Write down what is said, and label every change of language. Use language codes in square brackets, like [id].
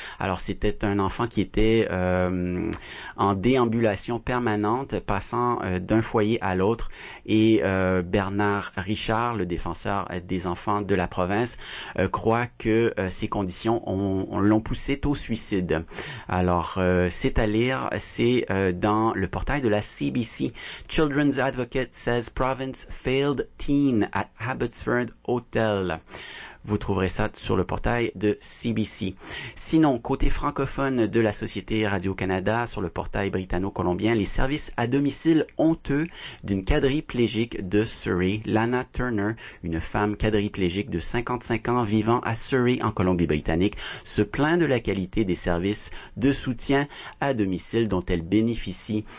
[fr] Alors, c'était un enfant qui était en déambulation permanente, passant d'un foyer à l'autre. Et Bernard Richard, le défenseur des enfants de la province, croit que ces conditions l'ont poussé au suicide. Alors, c'est à lire, c'est dans le portail de la CBC. [en] Children's Advocate says province failed teen at Abbotsford Hotel. [fr] Vous trouverez ça sur le portail de CBC. Sinon, côté francophone de la Société Radio-Canada, sur le portail britanno-colombien, les services à domicile honteux d'une quadriplégique de Surrey, Lana Turner, une femme quadriplégique de 55 ans vivant à Surrey en Colombie-Britannique, se plaint de la qualité des services de soutien à domicile dont elle bénéficie.